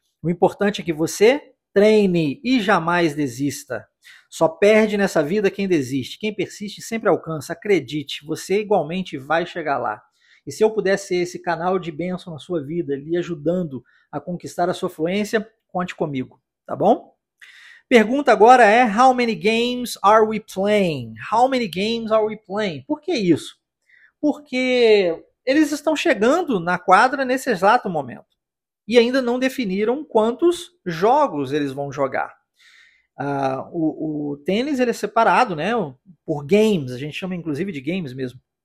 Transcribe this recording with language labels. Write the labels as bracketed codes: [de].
[pt] O importante é que você treine e jamais desista. Só perde nessa vida quem desiste. Quem persiste sempre alcança. Acredite, você igualmente vai chegar lá. E se eu pudesse ser esse canal de bênção na sua vida, lhe ajudando a conquistar a sua fluência, conte comigo, tá bom? Pergunta agora é: [en] how many games are we playing? How many games are we playing? [pt] Por que isso? Porque eles estão chegando na quadra nesse exato momento e ainda não definiram quantos jogos eles vão jogar. O tênis, ele é separado, né, por games, a gente chama inclusive de games mesmo.